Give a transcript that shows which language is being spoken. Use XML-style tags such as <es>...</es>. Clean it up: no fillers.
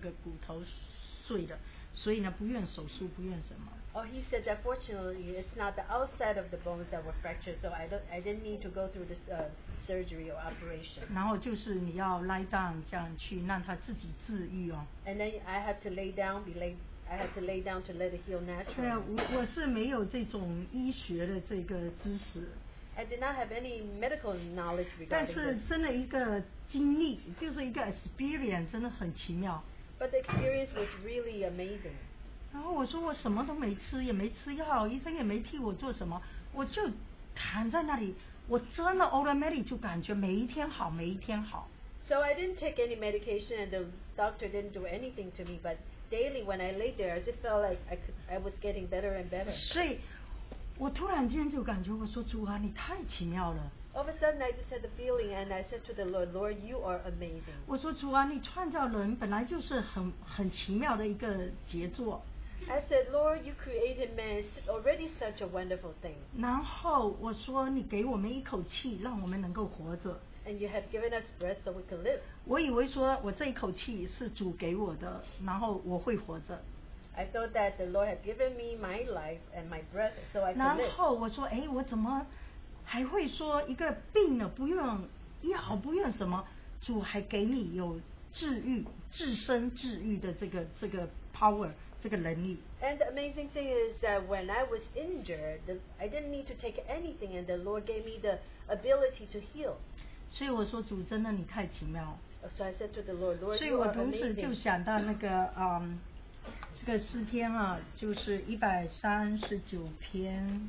<zh>然后他说还好，因为不是骨头外面这个，不是像外面这个骨头碎的。所以呢，不愿手术，不愿什么。</zh> <en>Oh, he said that fortunately it's not the outside of the bones that were fractured, so I didn't need to go through this surgery or operation.</en> <zh>然后就是你要</zh> <en>lie down</en> <zh>这样去让它自己治愈哦。</zh> <en>And then I had to lay down to let it heal naturally.</en> <zh>对啊，我是没有这种医学的这个知识。</zh> <en>I did not have any medical knowledge regarding this.</en> <zh>但是真的一个经历，就是一个 experience， 真的很奇妙。</zh> <en>But the experience was really amazing.</en> <zh>然后我说我什么都没吃，也没吃药，医生也没替我做什么，我就躺在那里，我真的 automatic 就感觉每一天好，每一天好。</zh> <en>So I didn't take any medication, and the doctor didn't do anything to me, but daily when I lay there, I just felt like I was getting better and better.</en> <zh>所以我突然间就感觉，我说主啊，你太奇妙了。</zh> <en>All of a sudden, I just had the feeling, and I said to the Lord, "Lord, you are amazing."</en> <zh>我说主啊，你创造人本来就是很奇妙的一个杰作。</zh> <en>I said, Lord, you created man, it's already such a wonderful thing.</en> <zh>然后我说你给我们一口气,</zh> <en>and you have given us breath so we can live.</en> <zh>我以为说我这一口气是主给我的,</zh> <en>I thought that the Lord had given me my life and my breath so I can live.</en> <zh>然后我说, 诶, 我怎么还会说一个病了不用药不用什么, 主还给你有治愈, 自身治愈的这个 power。</zh> <en>And the amazing thing is that when I was injured, I didn't need to take anything, and the Lord gave me the ability to heal.</en> <zh>所以我说主真的你太奇妙。</zh> <en>So I said to the Lord, Lord,</en> <zh>所以我同时就想到那个 这个诗篇啊, 就是139篇。</zh>